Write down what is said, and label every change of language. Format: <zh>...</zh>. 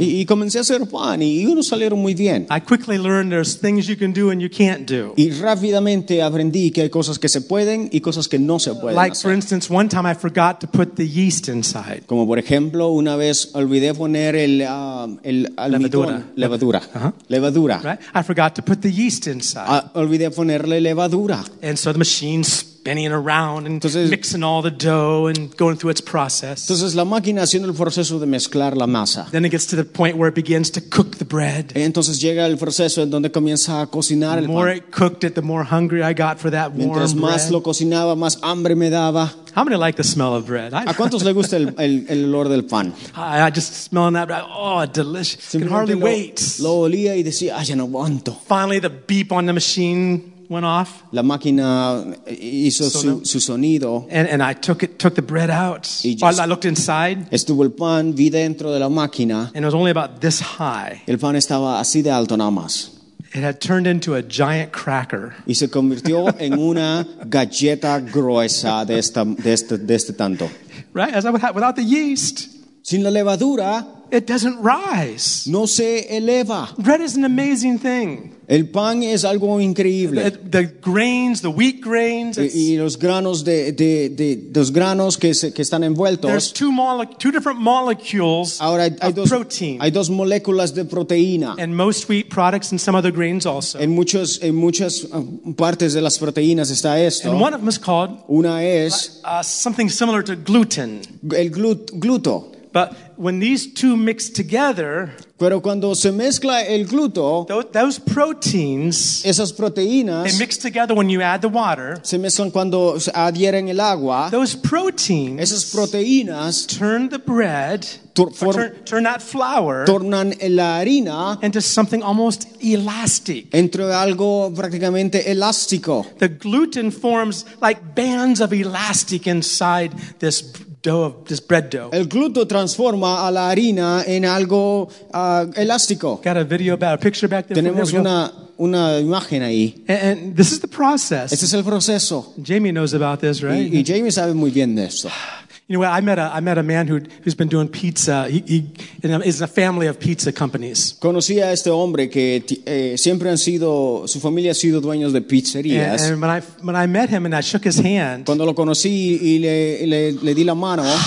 <es>y comencé a hacer pan y unos salieron muy bien.</es> <en>I quickly learned there's things you can do and you can't do.</en> <es>Y rápidamente aprendí que hay cosas que se pueden y cosas que no se pueden.</es> <en>Like</en> <es>hacer.</es> <en>For instance, one time I forgot to put the yeast inside.</en> <es>Como por ejemplo, una vez olvidé poner el almidón, levadura. Uh-huh. Levadura.</es> <en>Right? I forgot to put the yeast inside.</en> <es>Olvidé ponerle levadura.</es> <en>And so the machine spinning around and entonces, mixing all the dough and going through its process.</en> <es>Entonces la máquina haciendo el proceso de mezclar la masa.</es> <en>Then it gets to the point where it begins to cook the bread.</en> <es>Y entonces llega el proceso en donde comienza a cocinar el pan.</es> <en>The more it cooked it, the more hungry I got for that warm bread.</en> <es>Mientras más lo cocinaba, más hambre me daba.</es> <en>How many like the smell of bread?</en> <es>¿A cuántos le gusta el olor del pan?</es> <en>I just smelling that bread. Oh, delicious. I can hardly wait.</en> <es>Lo olía y decía, ay, ya no aguanto.</es> <en>Finally, the beep on the machine went off.</en> <es>La máquina hizo su sonido.</es> <en>And I took the bread out. Just, I looked inside.</en> <es>Estuvo el pan, vi dentro de la máquina.</es> <en>And it was only about this high.</en> <es>El pan estaba así de alto nada más.</es> <en>It had turned into a giant cracker.</en> <es>Y se convirtió en una galleta gruesa de este tanto.</es> <en>Right, as I would have, without the yeast.</en> <es>Sin la levadura.</es> <en>It doesn't rise.</en> <es>No se eleva.</es> <en>Bread is an amazing thing.</en> <es>El pan es algo increíble.</es> <en>The grains, the wheat grains.</en> <es>Y los granos de los granos que están envueltos.</es> <en>There's two different molecules.</en> <es>Ahora hay dos</es> <en>protein.</en> <es>Hay dos moléculas de proteína.</es> <en>And most wheat products and some other grains also.</en> <es>En muchas partes de las proteínas está esto.</es> <en>And one of them is called.</en> <es>Una es</es> <en>something similar to gluten.</en> <es>El gluto.</es> <en>But when these two mix together,</en> <es>pero cuando se mezcla el gluto,</es> <en>those proteins,</en> <es>esas proteínas,</es> <en>they mix together when you add the water,</en> <es>se mezclan cuando se adhieren el agua,</es> <en>those proteins,</en> <es>esas proteínas,</es> <en>turn the bread, turn that flour,</en> <es>tornan la harina,</es> <en>into something almost elastic,</en> <es>entre algo prácticamente elástico.</es> <en>The gluten forms like bands of elastic inside this dough of this bread dough.</en> <es>El gluto transforma a la harina en algo elástico.</es> <en>Got a video about a picture back there.</en> <es>Tenemos una imagen ahí.</es> <en>And this is the process.</en> <es>Este es el proceso.</es> <en>Jamie knows about this, right?</en> <es>Y Jamie sabe muy bien de esto.</es> <en>Anyway, I met a man who's been doing pizza. He is a family of pizza companies.</en> <es>Conocí a este hombre que siempre han sido su familia ha sido dueños de pizzerías.</es> <en>And when I met him and I shook his hand.</en> <es>Cuando lo conocí y le di la mano.</es>